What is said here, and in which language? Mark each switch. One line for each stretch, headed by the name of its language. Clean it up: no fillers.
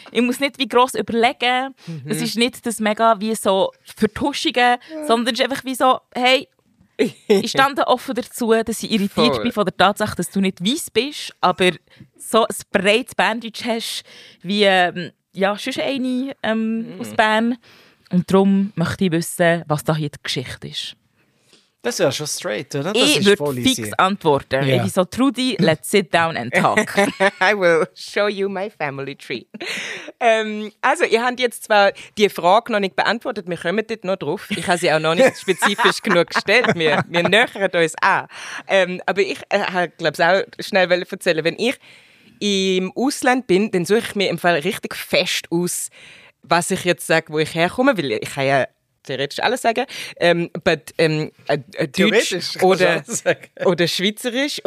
German: Ich muss nicht wie gross überlegen. Es ist nicht das mega wie so Vertuschungen, sondern es ist einfach wie so, hey, ich stande offen dazu, dass ich irritiert bin von der Tatsache, dass du nicht weiss bist, aber so ein breites Bandage hast, wie sonst eine aus Bern. Und darum möchte ich wissen, was da hier die Geschichte ist. Das wäre schon straight, oder? Das ich würde fix antworten.
English: Yeah.
German: Ich bin so,
English: Trudy, let's sit down and talk. I will show you my family tree.
German: Also, ihr habt jetzt zwar die Frage noch nicht beantwortet, wir kommen dort noch drauf. Ich habe sie auch noch nicht spezifisch genug gestellt. Wir nähern uns an. Aber ich glaube es auch schnell erzählen. Wenn ich im Ausland bin, dann suche ich mir im Fall richtig fest aus, was ich jetzt sage, wo ich herkomme, weil ich habe ja theoretisch alles sagen, Deutsch oder Schweizerisch.